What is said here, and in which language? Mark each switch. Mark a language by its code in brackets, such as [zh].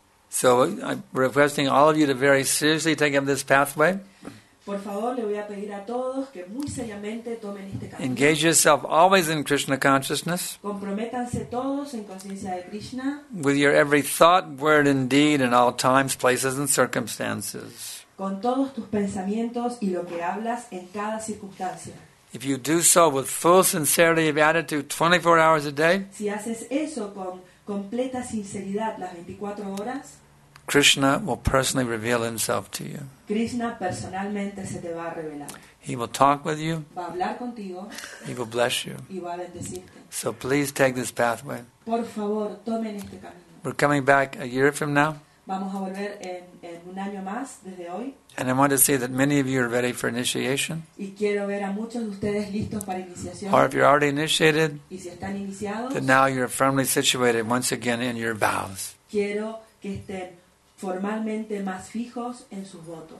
[en] So I'm requesting all of you to very seriously take up this pathway. [es] Por favor, le voy a pedir a todos que muy seriamente tomen este camino. [en] Engage yourself always in Krishna consciousness. [es] Comprométanse todos en conciencia de Krishna. [en] With your every thought, word, and deed in all times, places, and circumstances. [es] Con todos tus pensamientos y lo que hablas en cada circunstancia. [en] If you do so with full sincerity of attitude 24 hours a day. [es] Si haces eso con completa sinceridad las 24 horas, [en] Krishna will personally reveal himself to you. [es] Krishna personalmente se te va a revelar. [en] He will talk with you. [es] Va a hablar contigo. [en] He will bless you. [es] Y va a bendecirte. [en] So please take this pathway. [es] Por favor, tomen este camino. [en] We're coming back a year from now. [es] Vamos a volver en un año más desde hoy. [en] And I want to see that many of you are ready for initiation. [es] Y quiero ver a muchos de ustedes listos para iniciación. [en] Or if you're already initiated, [es] y si están iniciados, [en] then now you're firmly situated once again in your vows. [es] Quiero que estén formalmente más fijos en sus votos.